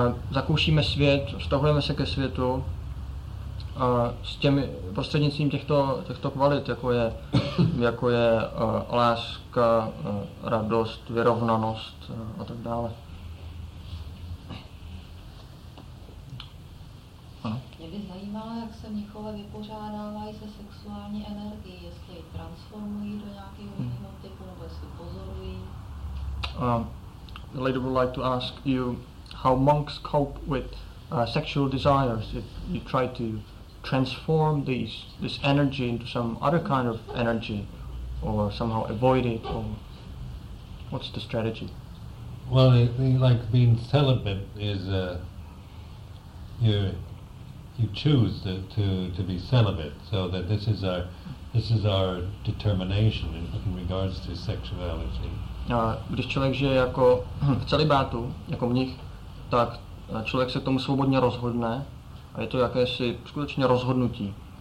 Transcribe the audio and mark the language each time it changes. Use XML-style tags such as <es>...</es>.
<cs>zakoušíme svět, vztahujeme se ke světu a s těmi prostřednictvím těchto kvalit, jako je láska, radost, vyrovnanost a tak dále. Mě by zajímalo, jak se mnichové vypořádávají se sexuální energií, jestli ji transformují do nějakého jiného typu, nebo jestli pozorují.</cs> <en>The lady would like to ask you how monks cope with sexual desires if you try to transform this energy into some other kind of energy, or somehow avoid it, or what's the strategy? Well, like being celibate is you choose to be celibate, so that this is our determination in regards to sexuality.</en> <cs>Když člověk žije jako v celibátu, jako mnich, tak člověk se k tomu svobodně rozhodne a je to jakési skutečně rozhodnutí.</cs>